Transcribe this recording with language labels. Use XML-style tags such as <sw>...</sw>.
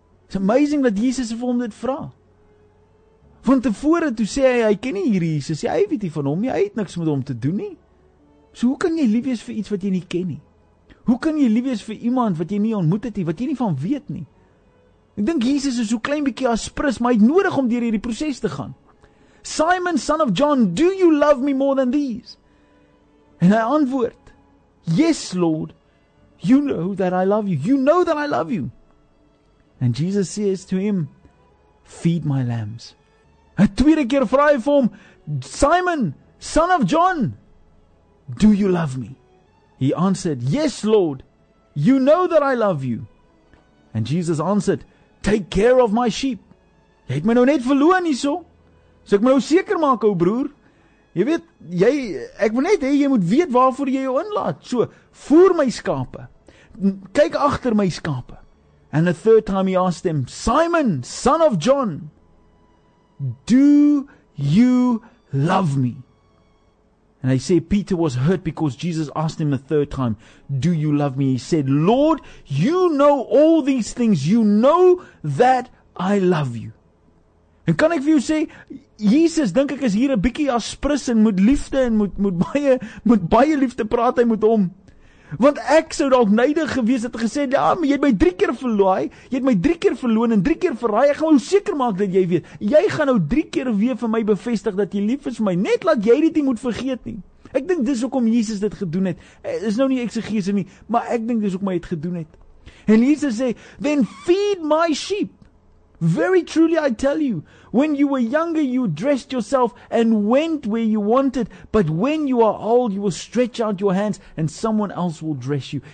<en>It's amazing</en> <af>dat Jesus vir hom dit vra. Want tevore toe sê hy, hy ken nie hierdie Jesus, hy weet nie van hom, hy het niks met hom te doen nie. So hoe kan jy lief wees vir iets wat jy nie ken nie? Hoe kan jy lief wees vir iemand wat jy nie ontmoet het nie, wat jy nie van weet nie? Ek dink Jesus is so klein bietjie aspris, maar hy het nodig om deur hierdie proses te gaan.</af> <en>Simon, son of John, do you love me more than these?</en> <af>En hy antwoord,</af> <en>yes, Lord, you know that I love you. You know that I love you. And Jesus says to him, feed my lambs.</en> <af>'N tweede keer vra hy vir hom,</af> <en>Simon, son of John, do you love me? He answered, yes, Lord, you know that I love you. And Jesus answered, take care of my sheep.</en> <af>Jy het my nou net verloon hierso. So ek moet nou seker maak, ou broer. Jy weet, ek moet net, jy moet weet waarvoor jy jou inlaat. So, voer my skape. Kyk achter my skape.</af> <en>And the third time he asked him, Simon, son of John, do you love me? And I say Peter was hurt because Jesus asked him a third time, do you love me? He said, Lord, you know all these things. You know that I love you.</en> <af>En kan ek vir jou sê, Jesus, dink ek, is hier 'n bietjie aspris en moet liefde en moet baie liefde praat hy met hom. Want ek sou dalk neidig gewees het en gesê, ja, maar jy het my 3 keer verlooi, jy het my 3 keer verloon en 3 keer verraai, ek gaan nou seker maak dat jy weet, jy gaan nou 3 keer weer vir my bevestig dat jy lief is vir my, net laat jy dit nie moet vergeet nie. Ek dink dis hoekom Jesus dit gedoen het, is nou nie exegese nie, maar ek dink dis hoekom hy het gedoen het.</af> <en>And Jesus said, then feed my sheep. Very truly I tell you, when you were younger, you dressed yourself and went where you wanted. But when you are old, you will stretch out your hands and someone else will dress you.</en>